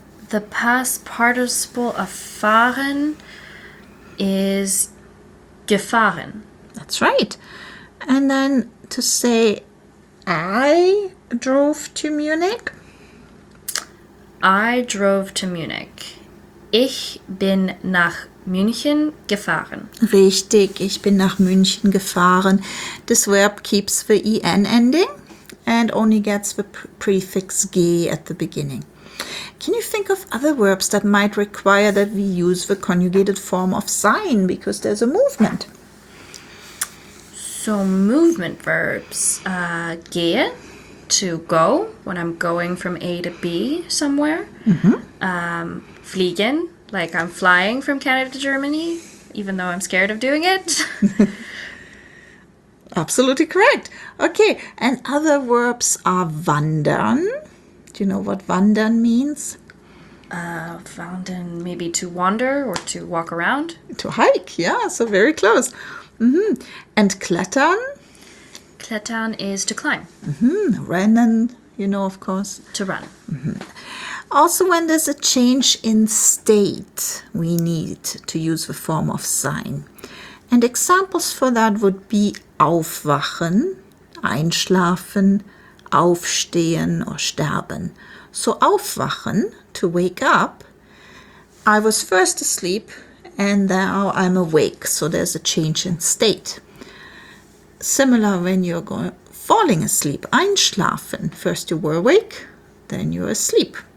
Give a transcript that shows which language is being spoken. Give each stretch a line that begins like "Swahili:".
English: the past participle of fahren is gefahren. That's right. And then to say I drove to Munich. I drove to Munich.
German: Ich bin nach München gefahren. Richtig, ich bin nach München gefahren.
English: This verb keeps the en ending and only gets the prefix g at the beginning. Can you think of other verbs that might require that we use the conjugated form of sein because there's a movement? So movement verbs, gehe, to go, when I'm going from A to B somewhere. Mm-hmm. Fliegen, like I'm flying from Canada to Germany, even though I'm scared of doing it. Absolutely correct. Okay, and other verbs are wandern. Do you know what wandern means? Wandern, maybe to wander or to walk around. To hike, yeah, so very close. Mm-hmm. And klettern? Klettern is to climb. Mm-hmm. Rennen, you know, of course. To run. Mm-hmm. Also, when there's a change in state, we need to use the form of sein. And examples for that would be aufwachen, einschlafen, aufstehen or sterben. So aufwachen, to wake up, I was first asleep and now I'm awake, so there's a change in state. Similar when you're falling asleep, einschlafen, first you were awake, then you're asleep.